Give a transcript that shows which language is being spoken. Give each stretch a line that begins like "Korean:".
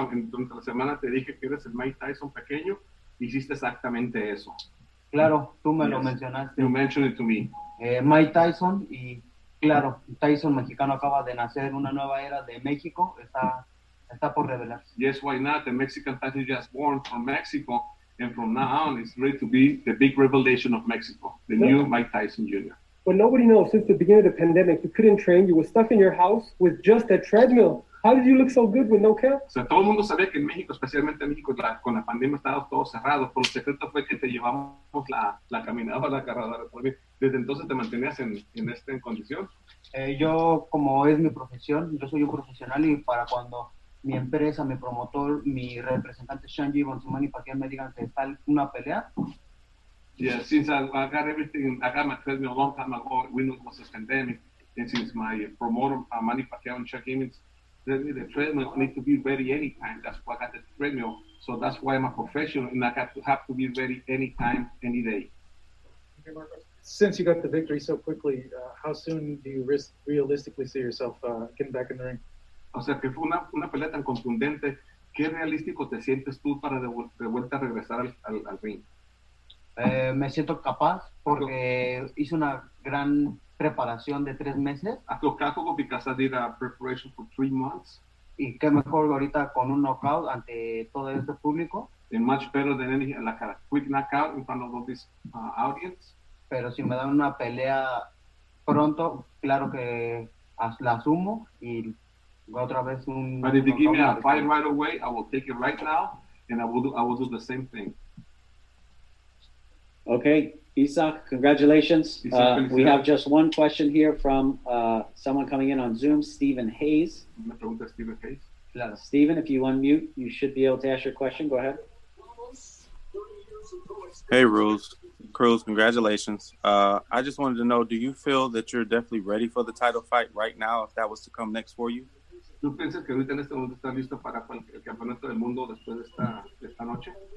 Spanish: Durante la semana te dije que eres el Mike Tyson pequeño. Hiciste exactamente eso. Claro, tú me lo mencionaste.
English: You mentioned it to me.
Spanish: Mike Tyson, y claro, Tyson mexicano acaba de nacer una nueva era de México. Está por revelarse.
English: Yes, why not? The Mexican Tyson just born from Mexico. And from now on, it's ready to be the big revelation of Mexico, the new Mike Tyson Jr. But nobody knows, since the beginning of the pandemic, you couldn't train. You were stuck in your house with just a treadmill. How did you look so good with no camp?
Spanish: So, todo el mundo sabía que en México, especialmente en México, con la pandemia, estaba todo cerrado. Pero el secreto fue que te llevamos la caminadora, la cargadora. Desde entonces, ¿te mantenías en esta condición? Yo, como es mi profesión, yo soy un profesional y para cuando... mi empresa, mi promotor, mi representante, Shanji Bonsumani, para que me digan que está una pelea.
English: Yeah, since I got everything, I got my treadmill a long time ago, when it was a pandemic, and since my promoter, Manny Pacquiao, and Chuck Emmons, the treadmill need to be ready anytime. That's why I got the treadmill. So that's why I'm a professional, and I have to be ready anytime, any day. Okay, Marcos. Since you got the victory so quickly, how soon do you realistically see yourself getting back in the ring?
Spanish: O sea, que fue una pelea tan contundente. ¿Qué realístico te sientes tú para de vuelta regresar al ring? Me siento capaz porque hice una gran preparación de 3 meses. A tocar
English: because I did a preparation for 3 months.
Spanish: Y qué mejor ahorita con un knockout ante todo este público.
English: And much better than any, like a quick knockout in front of all this audience.
Spanish: pero si me dan una pelea pronto, claro que la asumo y otra vez un.
English: But if you give me a fight right away, I will take it right now, and I will do the same thing. Okay, Isaac, congratulations. We have just one question here from someone coming in on Zoom, Stephen Hayes.
Spanish: Me pregunta Stephen Hayes. Claro.
English: Stephen, if you unmute, you should be able to ask your question. Go ahead. Hey, Rules. Cruz, congratulations. I just wanted to know, do you feel that you're definitely ready for the title fight right now if that was to come next for you?
Spanish: ¿Tú piensas que ahorita en este momento estás listo para el campeonato del mundo después de esta noche?